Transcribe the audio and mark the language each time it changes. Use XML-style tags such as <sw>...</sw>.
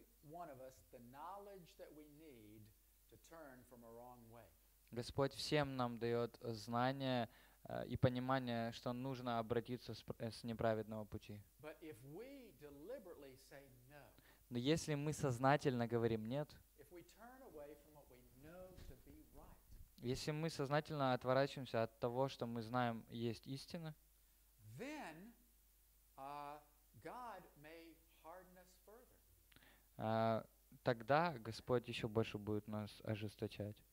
<en>one of us the knowledge that we need to turn from a wrong way.</en> <ru>Господь всем нам дает знания и понимание, что нужно обратиться с неправедного пути.</ru> <en>But if we deliberately say no,</en> <ru>но если мы сознательно говорим «нет»,</ru> <en>if we turn away from what we know to be right,</en> <ru>если мы сознательно отворачиваемся от того, что мы знаем есть истина,</ru> <en>then, God may harden us further.</en> <ru>Тогда Господь еще больше будет нас ожесточать.</ru>